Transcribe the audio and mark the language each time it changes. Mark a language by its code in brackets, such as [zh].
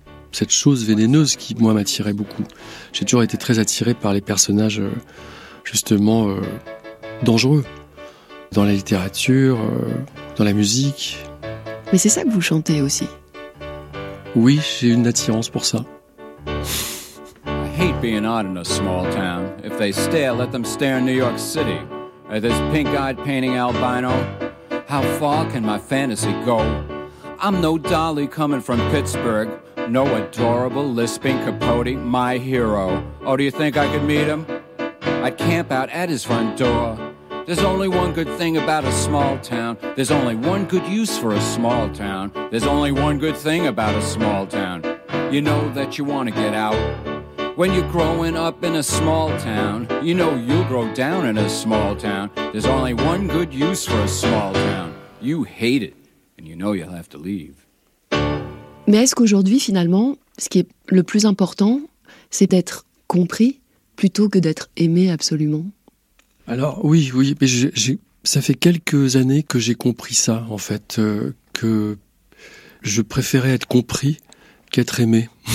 [fr] Cette chose vénéneuse qui, moi, m'attirait beaucoup. J'ai toujours été très attiré par les personnages, justement, dangereux. Dans la littérature, dans la musique. Mais c'est ça que vous chantez aussi. Oui, j'ai une attirance pour ça. [en] I hate being odd in a small town. If they stare, let them stare in New York City. At this pink-eyed painting albino. How far can my fantasy go? I'm no Dolly coming from Pittsburgh. No adorable lisping Capote, my hero. Oh, do you think I could meet him? I'd camp out at his front door. There's only one good thing about a small town. There's only one good use for a small town. There's only one good thing about a small town. You know that you want to get out. When you're growing up in a small town, you know you'll grow down in a small town. There's only one good use for a small town. You hate it, and you know you'll have to leave. [fr] Mais est-ce qu'aujourd'hui, finalement, ce qui est le plus important, c'est d'être compris plutôt que d'être aimé absolument? Alors oui, oui, mais ça fait quelques années que j'ai compris ça, en fait, que je préférais être compris qu'être aimé.